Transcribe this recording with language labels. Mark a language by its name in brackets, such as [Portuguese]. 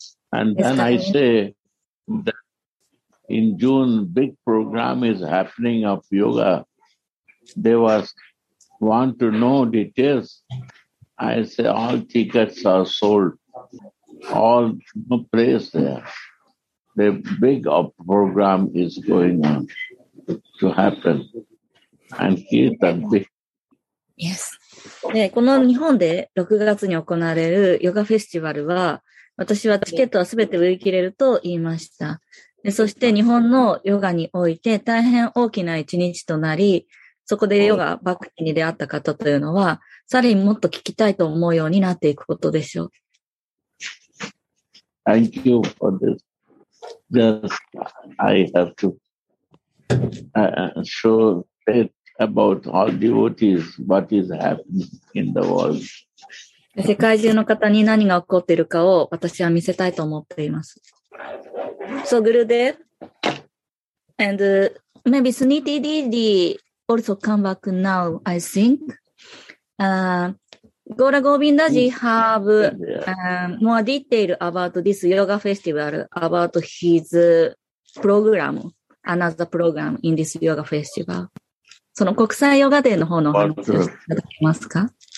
[English] And then I say,In June, big program is happening of yoga. They were want to know details, I say all tickets are sold, all place there. The big program is going on to happen. And here's the big. Yes. [Japanese] で、この日本で6月に行われるヨガフェスティバルは、私はチケットはすべて売り切れると言いました。で、そして日本のヨガにおいて大変大きな一日となり、そこでヨガ、バクティに出会った方というのは、さらにもっと聞きたいと思うようになっていくことでしょう。 [English] Thank you for this. Just, I have to show faithAbout all devotees, what is happening in the world. [Japanese] 世界中の方に何が起こっているかを私は見せたいと思っています。 [English] So Gurudev, and maybe Suniti Didi also come back now, I think. Gaura Govindaji have more detail about this yoga festival, about his program, another program in this yoga festival. [Japanese] その国際ヨガデーの方の話をいただけますか。